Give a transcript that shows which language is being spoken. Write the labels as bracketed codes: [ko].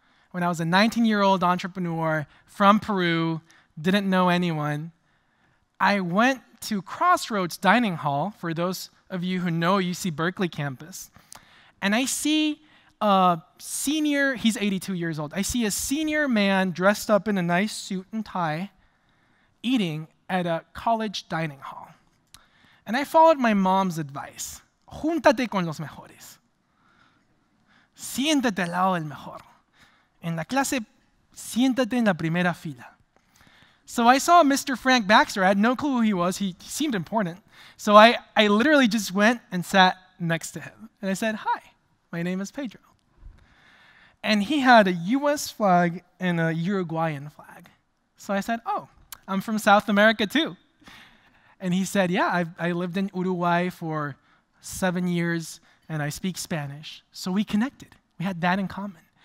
[en] When I was a 19-year-old entrepreneur from Peru, didn't know anyone, I went to Crossroads Dining Hall, for those of you who know UC Berkeley campus, and I see a senior, he's 82 years old, I see a senior man dressed up in a nice suit and tie eating at a college dining hall. And I followed my mom's advice. [es] Júntate con los mejores. Siéntate al lado del mejor. En la clase, siéntate en la primera fila. [en] So I saw Mr. Frank Baxter. I had no clue who he was. He seemed important. So I literally just went and sat next to him. And I said, hi, my name is Pedro. And he had a US flag and a Uruguayan flag. So I said, oh, I'm from South America too. And he said, yeah, I lived in Uruguay for 7 years and I speak Spanish. So we connected. We had that in common.